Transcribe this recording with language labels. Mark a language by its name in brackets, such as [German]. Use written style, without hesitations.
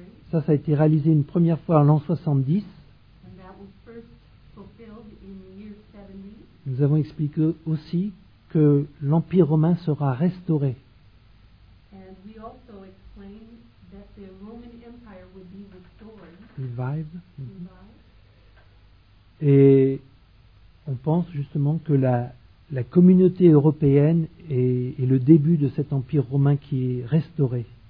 [French] Ça a été réalisé une première fois en l'an 70. [English] And that was first fulfilled in the year 70. [French] Nous avons expliqué aussi que l'Empire romain sera restauré. [English] And we also explained that the Roman Empire would be restored. Revived. Revived. [French] Et on pense justement que la communauté européenne est le début de cet Empire romain qui est restauré.